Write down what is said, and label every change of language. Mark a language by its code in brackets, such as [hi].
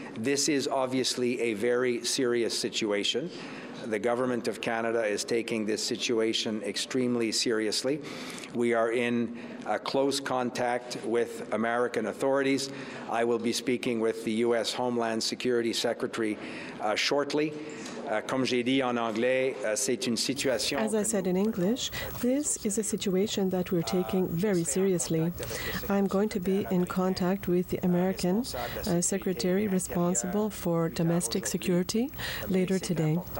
[en] This is obviously a very serious situation. The Government of Canada is taking this situation extremely seriously. We are in close contact with American authorities. I will be speaking with the U.S. Homeland Security Secretary shortly. [fr] Comme j'ai dit en anglais, c'est une situation. [en] As I said in English, this is a situation that we're taking very seriously. I'm going to be in contact with the American secretary responsible for domestic security later today.